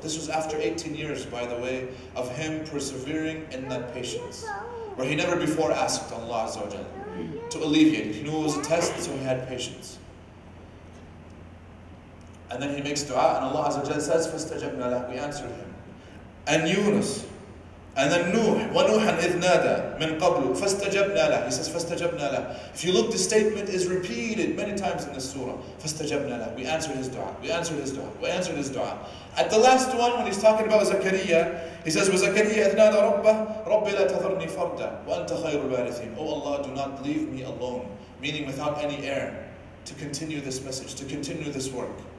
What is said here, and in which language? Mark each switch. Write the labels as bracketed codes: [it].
[en] This was after 18 years, by the way, of him persevering in that patience. Where he never before asked Allah Azza wa Jalla to alleviate. He knew it was a test, so he had patience. And then he makes dua, and Allah Azza wa Jalla says, [ar] فَاسْتَجَبْنَا لَهُ. [en] We answered him. And Yunus. And then [ar] Nuh, وَنُوحًا إِذْ نَادَى مِنْ قَبْلُ فَاسْتَجَبْنَا لَهُ. [en] He says, [ar] فَاسْتَجَبْنَا لَهُ. [en] If you look, the statement is repeated many times in this surah. [ar] فَاسْتَجَبْنَا لَهُ. [en] We answered his dua. We answered his dua. We answered his dua. At the last one, when he's talking about Zakariya, he says, [ar] وَزَكَرِيَّ إِذْ نَادَى رَبَّهُ رَبِّ لَا تَذَرْنِي فَرْدًا وَأَنْتَ خَيْرُ الْوَارِثِينَ. [en] Oh Allah, do not leave me alone. Meaning without any heir to continue this message, to continue this work.